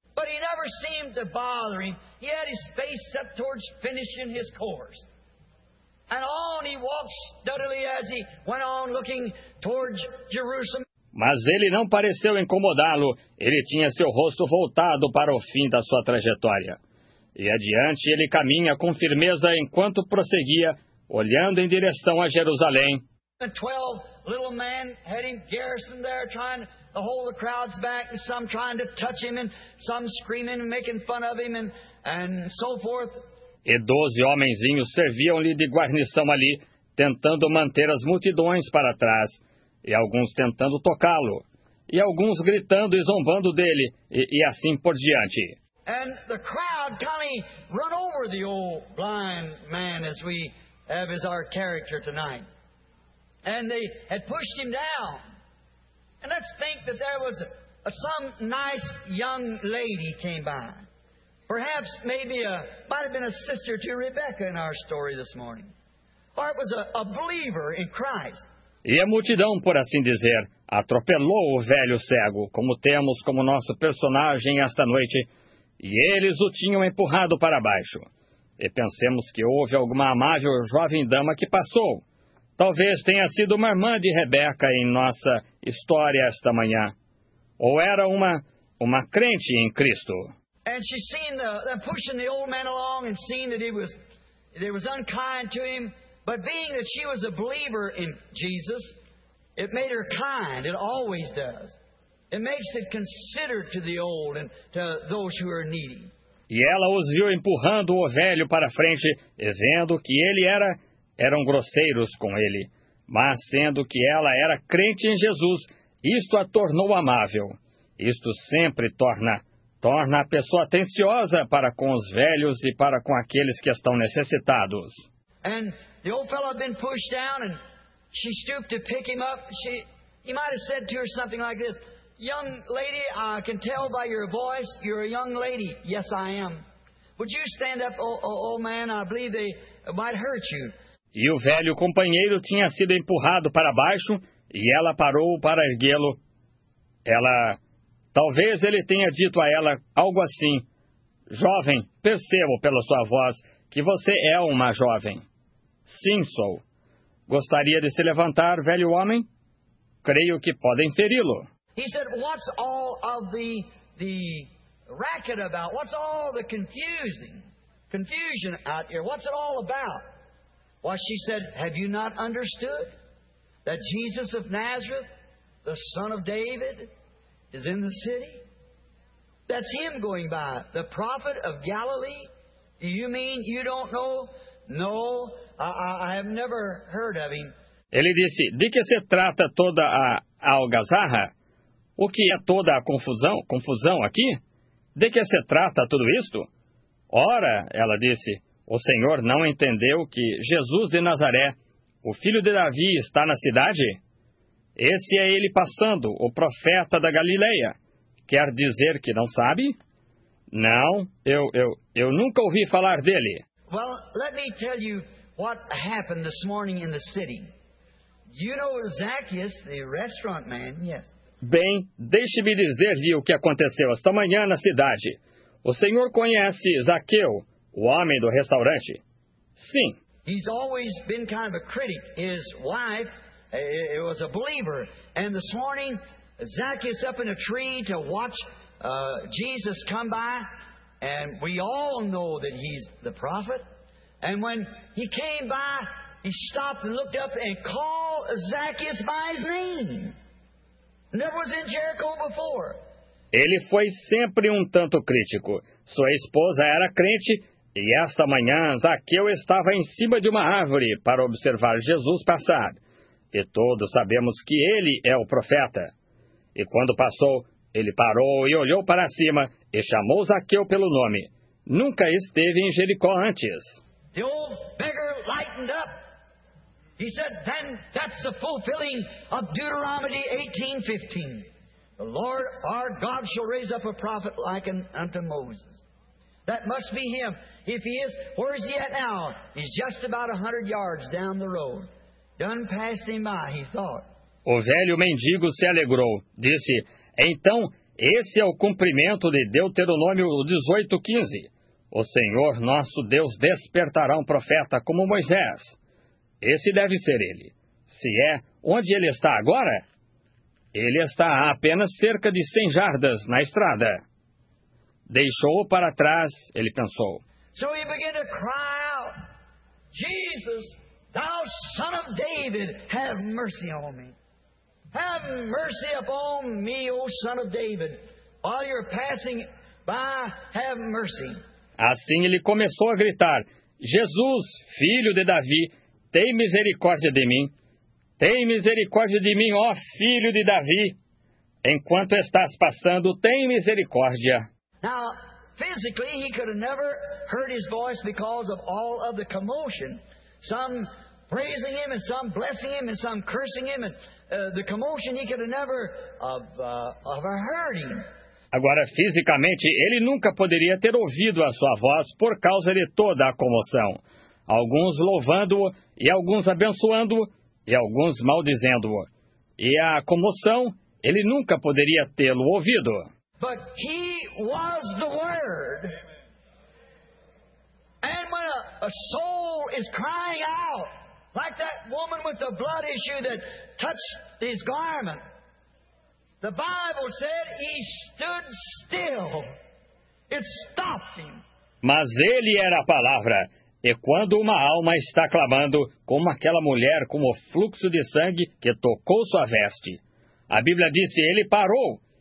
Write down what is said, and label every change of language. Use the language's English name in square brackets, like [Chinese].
[English] But he never seemed to bother him. He had his face set towards finishing his course. And on he walked steadily as he went on looking towards Jerusalem. [Portuguese] Mas ele não pareceu incomodá-lo. Ele tinha seu rosto voltado para o fim da sua trajetória. E adiante ele caminha com firmeza enquanto prosseguia, olhando em direção a Jerusalém. [English] And 12 little men had him garrisoned there trying to hold the crowds back, and some trying to touch him, and some screaming and making fun of him, and so forth. [Portuguese] E 12 homenzinhos serviam-lhe de guarnição ali, tentando manter as multidões para trás, e alguns tentando tocá-lo, e alguns gritando e zombando dele, e assim por diante. [English] And the crowd kind of run over the old blind man as we have as our character tonight. And they had pushed him down. And let's think that there was some nice young lady came by. Perhaps maybe a might have been a sister to Rebecca in our story this morning. Or it was a believer in Christ. [Portuguese] E a multidão, por assim dizer, atropelou o velho cego, como temos como nosso personagem esta noite, e eles o tinham empurrado para baixo. E pensemos que houve alguma amável jovem dama que passou. Talvez tenha sido uma irmã de Rebeca em nossa história esta manhã. Ou era uma crente em Cristo. [English] And she seen them pushing the old man along and seen that it was unkind to him. But being that she was a believer in Jesus, it made her kind. It always does. It makes it considerate to the old and to those who are needy. [Portuguese] E ela os viu empurrando o velho para frente, e vendo que ele eram grosseiros com ele. Mas sendo que ela era crente em Jesus, isto a tornou amável. Isto sempre torna a pessoa atenciosa para com os velhos e para com aqueles que estão necessitados. [English] And the old fellow had been pushed down, and she stooped to pick him up. He might have said to her something like this: Young lady, I can tell by your voice, you're a young lady. Yes, I am. Would you stand up, old man? I believe they might hurt you. [Portuguese] E o velho companheiro tinha sido empurrado para baixo, e ela parou para erguê-lo. Talvez ele tenha dito a ela algo assim: Jovem, percebo pela sua voz que você é uma jovem. Sim, sou. Gostaria de se levantar, velho homem? Creio que podem feri-lo. [English] He said, what's all of the racket about? What's all the confusion out here? What's it all about? Well, she said, have you not understood that Jesus of Nazareth, the son of David, is in the city? That's him going by, the prophet of Galilee. Do you mean you don't know? No, I have never heard of him. [Portuguese] Ele disse, de que se trata toda a algazarra? O que é toda a confusão aqui? De que se trata tudo isto? Ora, ela disse, o Senhor não entendeu que Jesus de Nazaré, o filho de Davi, está na cidade? Esse é ele passando, o profeta da Galileia. Quer dizer que não sabe? Não, eu nunca ouvi falar dele. [English] Well, let me tell you what happened this morning in the city. You know Zacchaeus, the restaurant man, yes. [Portuguese] Bem, deixe-me dizer-lhe o que aconteceu esta manhã na cidade. O senhor conhece Zaqueu, o homem do restaurante? Sim. [English] He's always been kind of a critic. His wife was a believer. And this morning, Zacchaeus up in a tree to watch Jesus come by. And we all know that he's the prophet. And when he came by, he stopped and looked up and called Zacchaeus by his name. Never was in Jericho before. [Portuguese] Ele foi sempre um tanto crítico. Sua esposa era crente, e esta manhã Zaqueu estava em cima de uma árvore para observar Jesus passar. E todos sabemos que ele é o profeta. E quando passou, ele parou e olhou para cima e chamou Zaqueu pelo nome. Nunca esteve em Jericó antes. [English] The old beggar lightened up. He said, then that's the fulfilling of Deuteronomy 18:15. The Lord our God shall raise up a prophet like unto Moses. That must be him. If he is, where is he at now? He's just about 100 yards down the road. Done passing by, he thought. [Portuguese] O velho mendigo se alegrou. Disse, então, esse é o cumprimento de Deuteronômio 18:15. O Senhor nosso Deus despertará um profeta como Moisés. Esse deve ser ele. Se é, onde ele está agora? Ele está a apenas cerca de 100 jardas na estrada. Deixou-o para trás, ele pensou. [English] So he began to cry out, Jesus, thou son of David, have mercy on me. Have mercy upon me, O son of David. While you're passing by, have mercy. [Portuguese] Assim ele começou a gritar, Jesus, filho de Davi, tem misericórdia de mim. Tem misericórdia de mim, ó filho de Davi. Enquanto estás passando, tem misericórdia. [English] Now, physically, he could have never heard his voice because of all of the commotion. Some praising him and some blessing him and some cursing him. And the commotion, he could have never heard him. [Portuguese] Agora, fisicamente, ele nunca poderia ter ouvido a sua voz por causa de toda a comoção. Alguns louvando-o e alguns abençoando-o e alguns maldizendo-o. E a comoção, ele nunca poderia tê-lo ouvido. [English] But he was the Word. And when a soul is crying out, like that woman with the blood issue that touched his garment, the Bible said he stood still. It stopped him. [Portuguese] Mas ele era a palavra. E quando uma alma está clamando, como aquela mulher com o fluxo de sangue que tocou sua veste, a Bíblia disse, ele parou.